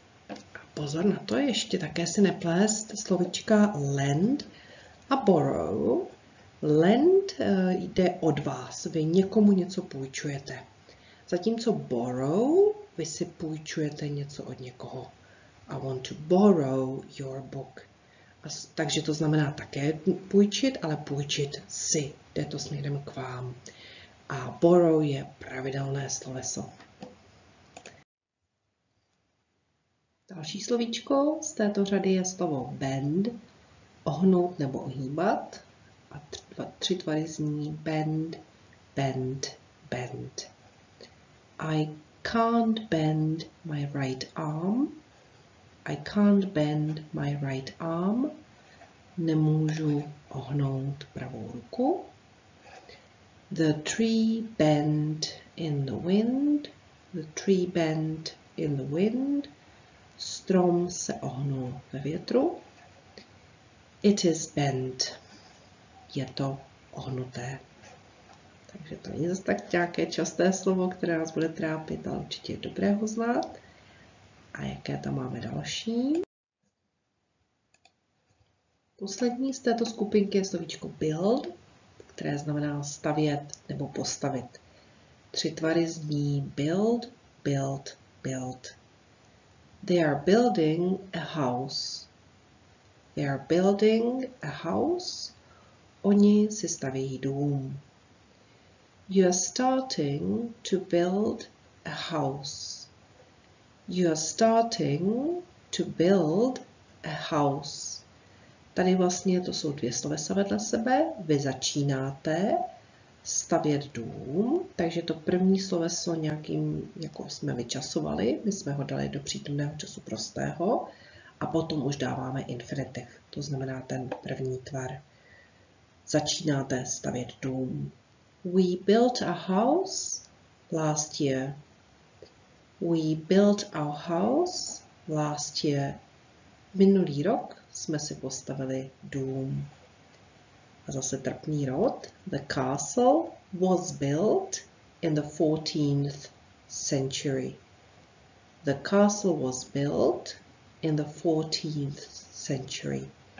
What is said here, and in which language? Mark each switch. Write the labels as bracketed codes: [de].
[cs] A pozor na to, ještě také si neplést slovíčka lend a borrow. Lend jde od vás, vy někomu něco půjčujete. Zatímco borrow, vy si půjčujete něco od někoho. [en] I want to borrow your book. [cs] Takže to znamená také půjčit, ale půjčit si. Jde to směrem k vám. A borrow je pravidelné sloveso. Další slovíčko z této řady je slovo bend, ohnout nebo ohýbat. A tři tvary zní bend, bend, bend. [en] I can't bend my right arm. I can't bend my right arm. [cs] Nemůžu ohnout pravou ruku. [en] The tree bent in the wind. The tree bent in the wind. [cs] Strom se ohnul ve větru. [en] It is bent. [cs] Je to ohnuté. Takže to není zase tak nějaké časté slovo, které nás bude trápit, ale určitě je dobré ho znát. A jaké tam máme další? Poslední z této skupinky je slovíčko build, které znamená stavět nebo postavit. Tři tvary zní build, build, build. [en] They are building a house. They are building a house. [cs] Oni si stavějí dům. [en] You are starting to build a house. You are starting to build a house. [cs] Tady vlastně to jsou dvě slovesa vedle sebe. Vy začínáte stavět dům, takže to první sloveso nějakým, jako jsme vyčasovali, my jsme ho dali do přítomného času prostého a potom už dáváme infinitiv, to znamená ten první tvar. Začínáte stavět dům. [en] We built a house last year. We built our house last year. [cs] Minulý rok jsme si postavili dům. A zase trpný rod. [en] The castle was built in the 14th century. The castle was built in the 14th century.